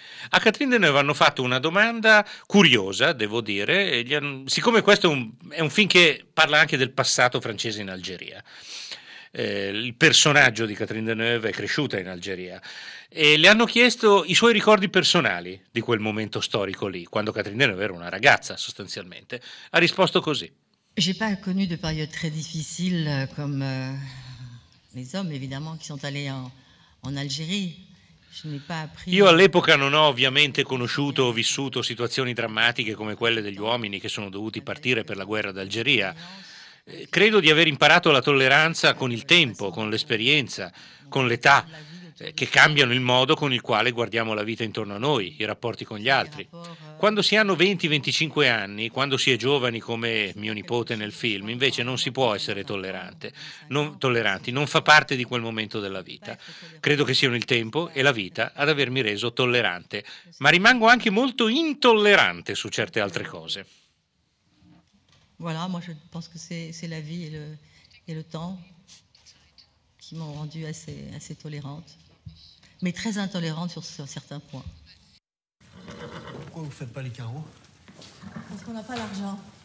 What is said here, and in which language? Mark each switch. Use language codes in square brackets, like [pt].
[it] A Catherine Deneuve hanno fatto una domanda curiosa, devo dire, siccome questo è un film che parla anche del passato francese in Algeria. Il personaggio di Catherine Deneuve è cresciuta in Algeria e le hanno chiesto i suoi ricordi personali di quel momento storico lì, quando Catherine Deneuve era una ragazza sostanzialmente. Ha risposto così: [fr] J'ai pas connu de période très difficile comme les hommes évidemment qui sont allés en Algérie. [it] Io all'epoca non ho ovviamente conosciuto o vissuto situazioni drammatiche come quelle degli uomini che sono dovuti partire per la guerra d'Algeria. Credo di aver imparato la tolleranza con il tempo, con l'esperienza, con l'età, che cambiano il modo con il quale guardiamo la vita intorno a noi, i rapporti con gli altri. Quando si hanno 20-25 anni, quando si è giovani come mio nipote nel film, invece non si può essere tolleranti, non fa parte di quel momento della vita. Credo che siano il tempo e la vita ad avermi reso tollerante, ma rimango anche molto intollerante su certe altre cose. [fr] Voilà, moi je pense que c'est la vie et le temps qui m'ont rendu assez tollerante, mais très intollerante sur certains points. Pourquoi vous ne faites pas les carreaux? Parce qu'on n'a pas l'argent.